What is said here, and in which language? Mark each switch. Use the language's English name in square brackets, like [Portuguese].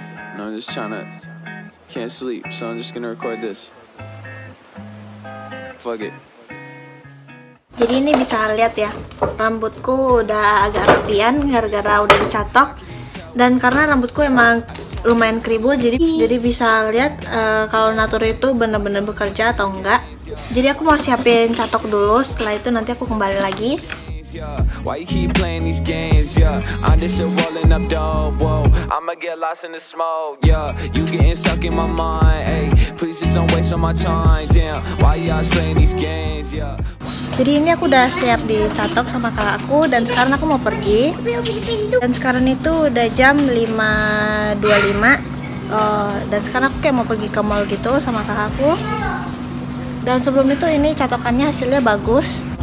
[English] and I'm just trying to, can't sleep, so I'm just gonna record this. Fuck it. [Indonesian] Jadi ini bisa lihat ya, rambutku udah agak rapian gara-gara udah dicatok. Dan karena rambutku emang lumayan keribu, jadi bisa lihat kalau Natur itu bener-bener bekerja atau enggak. Jadi aku mau siapin catok dulu, setelah itu nanti aku kembali lagi. [English] Why you keep playing these games, yeah? I'm just a rolling up dope, whoa. I'ma get lost in the smoke, yeah. You getting stuck in my mind, ayy. Please just don't waste all my time, damn. Why you always playing these games, yeah? [Indonesian] Jadi ini aku udah siap dicatok sama kakak aku dan sekarang aku mau pergi. Dan sekarang itu udah jam 5.25. Dan sekarang aku kayak mau pergi ke mall gitu sama kakak aku. Dan sebelum itu ini catokannya hasilnya bagus.